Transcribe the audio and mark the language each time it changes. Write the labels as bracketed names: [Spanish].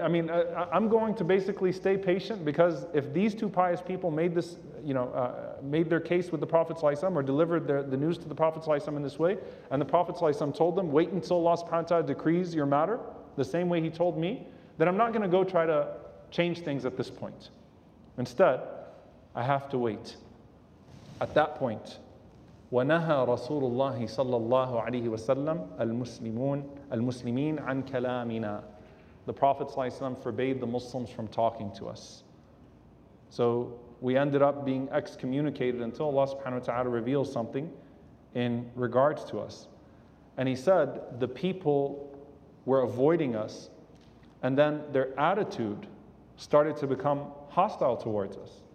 [English] I mean, I'm going to basically stay patient, because if these two pious people made this, you know, made their case with the Prophet ﷺ, or delivered the news to the Prophet ﷺ in this way, and the Prophet ﷺ told them, wait until Allah subhanahu wa ta'ala decrees your matter, the same way he told me, then I'm not going to go try to change things at this point. Instead, I have to wait. At that point, [Arabic] وَنَهَى رَسُولُ اللَّهِ صَلَّى اللَّهُ عَلَيْهِ وَسَلَّمُ الْمُسْلِمُونَ الْمُسْلِمِينَ عَنْ كَلَامِنَا. [English] The Prophet ﷺ forbade the Muslims from talking to us. So we ended up being excommunicated until Allah subhanahu wa ta'ala reveals something in regards to us. And he said, the people were avoiding us, and then their attitude started to become hostile towards us.